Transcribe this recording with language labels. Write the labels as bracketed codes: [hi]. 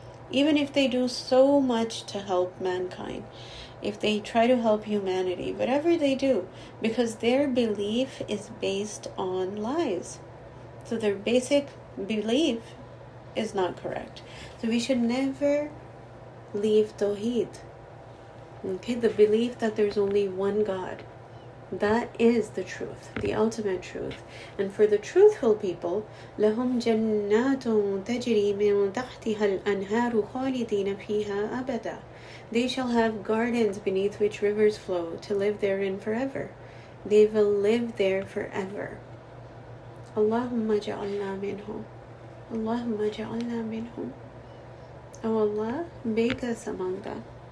[en] Even if they do so much to help mankind, if they try to help humanity, whatever they do, because their belief is based on lies. So their basic belief is not correct. So we should never leave Tawheed. Okay, the belief that there's only one God, that is the truth, the ultimate truth. And for the truthful people, [ar] لَهُمْ جَنَّاتٌ تَجْرِي مِنْ تَحْتِهَا الْأَنْهَارُ خَالِدِينَ فِيهَا أَبَدًا. [en] They shall have gardens beneath which rivers flow to live therein forever. They will live there forever. [ar] اللَّهُمَّ جَعَلْنَا مِنْهُمْ اللَّهُمَّ جَعَلْنَا مِنْهُمْ [en] O Allah, make us among them.